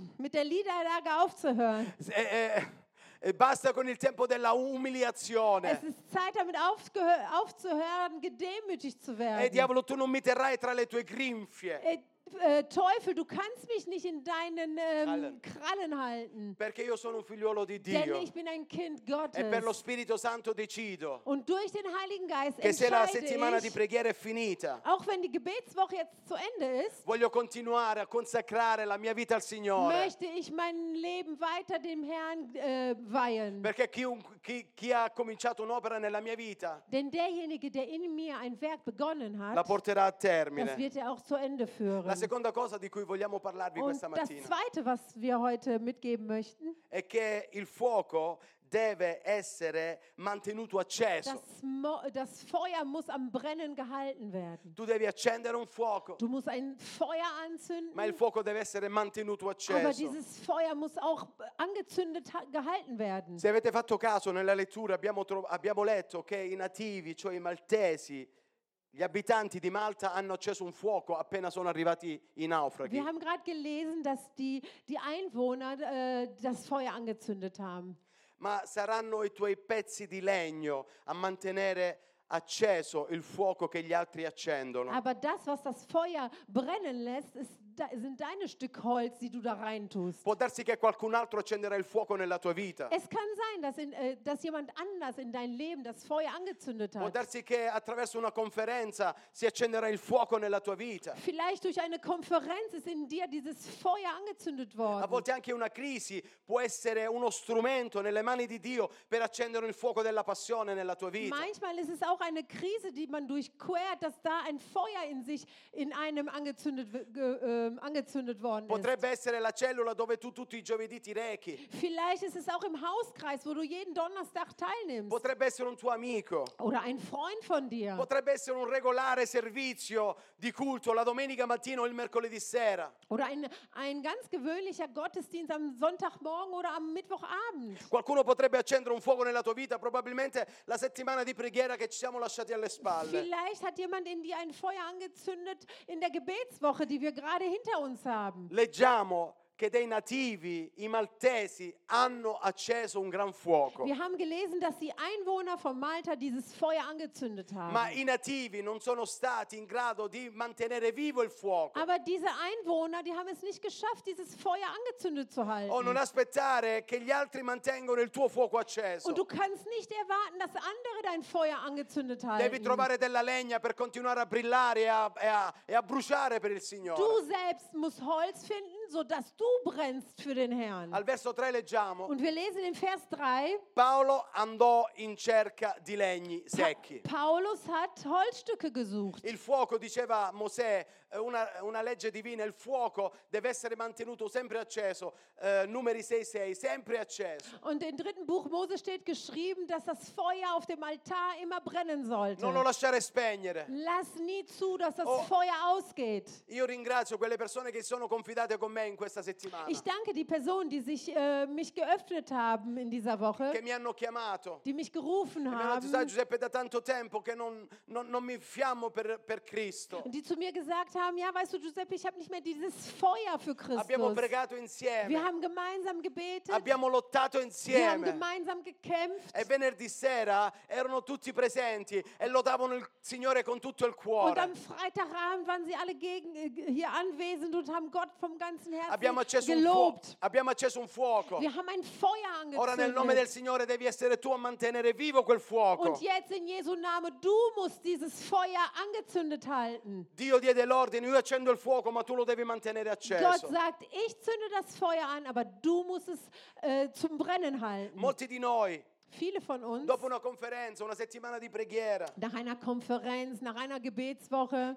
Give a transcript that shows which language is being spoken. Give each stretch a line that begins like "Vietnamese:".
German: Mit der Niederlage aufzuhören.
Italian: E basta con il tempo della umiliazione.
German: Es ist Zeit damit aufzuhören, gedemütigt zu werden.
Italian: E diavolo, tu non mi terrai tra le tue grinfie.
German: Teufel, du kannst mich nicht in deinen Krallen halten.
Italian: Perché io sono un figliolo di Dio.
German: Denn ich bin ein Kind Gottes.
Italian: E per lo Spirito Santo decido.
German: Und durch den Heiligen Geist
Italian: che
German: entscheide
Italian: se la settimana
German: ich,
Italian: di preghiera è finita.
German: Auch wenn die Gebetswoche jetzt zu Ende ist.
Italian: Voglio continuare a consacrare la mia vita al Signore.
German: Möchte ich mein Leben weiter dem Herrn weihen.
Italian: Perché chi ha cominciato un'opera nella mia vita.
German: Denn derjenige, der in mir ein Werk begonnen hat.
Italian: La porterà a termine.
German: Das wird er auch zu Ende führen.
Italian: La seconda cosa di cui vogliamo parlarvi
German: und
Italian: questa mattina.
German: Das zweite, was wir heute mitgeben möchten,
Italian: è che il fuoco deve essere mantenuto acceso.
German: Das Feuer muss am Brennen gehalten werden.
Italian: Tu devi accendere un fuoco.
German: Du musst ein Feuer anzünden.
Italian: Ma il fuoco deve essere mantenuto acceso.
German: Aber dieses Feuer muss auch angezündet gehalten werden.
Italian: Se avete fatto caso nella lettura abbiamo letto che i nativi, cioè i maltesi, gli abitanti di Malta hanno acceso un fuoco appena sono arrivati i naufraghi.
German: Wir haben gerade gelesen, dass die Einwohner das Feuer angezündet haben.
Italian: Ma saranno i tuoi pezzi di legno a mantenere acceso il fuoco che gli altri accendono.
German: Aber das, was das Feuer brennen lässt, sind deine Stück Holz, die du da reintust.
Italian: Può darsi che qualcun altro accenderà il fuoco nella tua vita.
German: Es kann sein, dass jemand anders in dein Leben das Feuer angezündet hat.
Italian: Può darsi che attraverso una conferenza si accenderà il fuoco nella tua vita.
German: Vielleicht durch eine Konferenz ist in dir dieses Feuer angezündet worden.
Italian: A volte anche una crisi può essere uno strumento nelle mani di Dio per accendere il fuoco della passione nella tua vita.
German: Manchmal ist es auch eine Krise, die man durchquert, dass da ein Feuer in sich in einem angezündet worden ist.
Italian: Potrebbe essere la cellula dove tu tutti i giovedì ti rechi.
German: Vielleicht ist es auch im Hauskreis, wo du jeden Donnerstag teilnimmst.
Italian: Potrebbe essere un tuo amico.
German: Oder ein Freund von dir.
Italian: Potrebbe essere un regolare servizio di culto la domenica mattina o il mercoledì sera.
German: Oder ein ganz gewöhnlicher Gottesdienst am Sonntagmorgen oder am Mittwochabend.
Italian: Qualcuno potrebbe accendere un fuoco nella tua vita, probabilmente la settimana di preghiera che ci siamo lasciati alle spalle.
German: Vielleicht hat jemand in dir ein Feuer angezündet in der Gebetswoche, die wir gerade hinter uns haben.
Italian: Leggiamo che dei nativi, i maltesi, hanno acceso un gran fuoco.
German: Wir haben gelesen, dass die Einwohner von Malta dieses Feuer angezündet haben.
Italian: Ma i nativi non sono stati in grado di mantenere vivo il fuoco.
German: Aber diese Einwohner, die haben es nicht geschafft, dieses Feuer angezündet zu halten.
Italian: O non aspettare che gli altri mantengano il tuo fuoco acceso.
German: Und du kannst nicht erwarten, dass andere dein Feuer angezündet halten.
Italian: Devi trovare della legna per continuare a brillare e a bruciare per il Signore.
German: Du selbst musst Holz finden, sodass du brennst für den Herrn.
Italian: Al verso 3 leggiamo.
German: Und wir lesen in Vers 3.
Italian: Paolo andò in cerca di legni secchi.
German: Paulus hat Holzstücke gesucht.
Italian: Il fuoco, diceva Mosè, una legge divina, il fuoco deve essere mantenuto sempre acceso, numeri 6:6, sempre acceso.
German: Und im dritten Buch Mose steht geschrieben, dass das Feuer auf dem Altar immer brennen sollte.
Italian: Non lo lasciare spegnere.
German: Lass nie zu, dass das Feuer ausgeht.
Italian: Io ringrazio quelle persone che sono confidate con me in questa settimana.
German: Ich danke die Personen, die sich mich geöffnet haben in dieser Woche.
Italian: Che mi hanno chiamato.
German: Die mich gerufen haben.
Italian: Mi hanno detto, Giuseppe, da tanto tempo che non mi infiammo per Cristo.
German: Die zu mir gesagt haben, ja, weißt du, Giuseppe, ich habe nicht mehr dieses Feuer für Christus.
Italian: Abbiamo pregato insieme.
German: Wir haben gemeinsam gebetet.
Italian: Abbiamo lottato insieme.
German: Wir haben gemeinsam gekämpft.
Italian: E venerdì sera erano tutti presenti e lodavano il Signore con tutto il cuore.
German: Und am Freitagabend waren sie alle hier anwesend und haben Gott vom ganzen Herzen gelobt.
Italian: Abbiamo acceso un fuoco.
German: Wir haben ein Feuer angezündet.
Italian: Ora nel nome del Signore devi essere tu a mantenere vivo quel fuoco.
German: Und jetzt in Jesu Name, du musst dieses Feuer angezündet halten.
Italian: Dio diede l'ordine, io accendo il fuoco, ma tu lo devi mantenere acceso.
German: Gott sagt, ich zünde das Feuer an, aber du musst es zum Brennen halten.
Italian: Molti di noi,
German: viele von uns,
Italian: dopo una conferenza, una settimana di preghiera,
German: nach einer Konferenz, nach einer Gebetswoche,